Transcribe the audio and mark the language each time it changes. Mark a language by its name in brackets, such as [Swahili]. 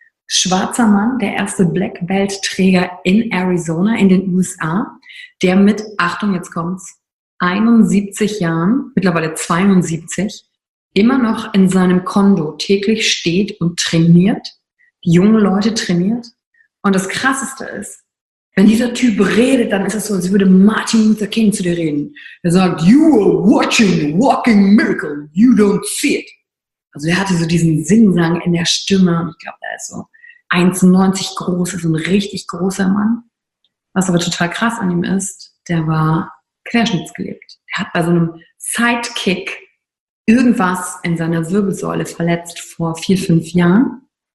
[German] Schwarzer Mann, der erste Black Belt Träger in Arizona, in den USA, der mit, Achtung, jetzt kommt's, 71 Jahren, mittlerweile 72, immer noch in seinem Kondo täglich steht und trainiert, junge Leute trainiert. Und das Krasseste ist, wenn dieser Typ redet, dann ist es so, als würde Martin Luther King zu dir reden. Er sagt, [English] you are watching a walking miracle, you don't see it. [German] Also er hatte so diesen Singsang in der Stimme. Ich glaube, er ist so 1,90 groß, ist ein richtig großer Mann. Was aber total krass an ihm ist, der war querschnittsgelähmt. Der hat bei so einem Sidekick irgendwas in seiner Wirbelsäule verletzt vor 4, 5 Jahren.